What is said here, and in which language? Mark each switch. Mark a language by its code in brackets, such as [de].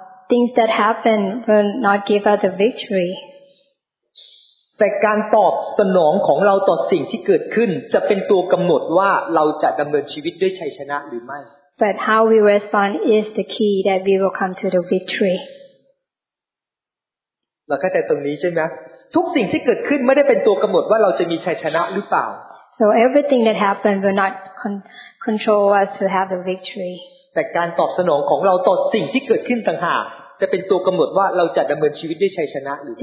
[en] Things that happen will not give us the victory. [th] แต่การตอบสนองของเราต่อสิ่งที่เกิดขึ้นจะเป็นตัวกำหนดว่าเราจะดำเนินชีวิตด้วยชัยชนะหรือไม่ [en] But how we respond is the key that we will come to the victory [th] เราเข้าใจตรงนี้ใช่ไหมทุกสิ่งที่เกิดขึ้นไม่ได้เป็นตัวกำหนดว่าเราจะมีชัยชนะหรือเปล่า [en] So everything that happened will not control us to have the victory [th] แต่การตอบสนองของเราต่อสิ่งที่เกิดขึ้นต่างหากจะเป็นตัวกำหนดว่าเราจะดำเนินชีวิตด้วยชัยชนะหรือไม่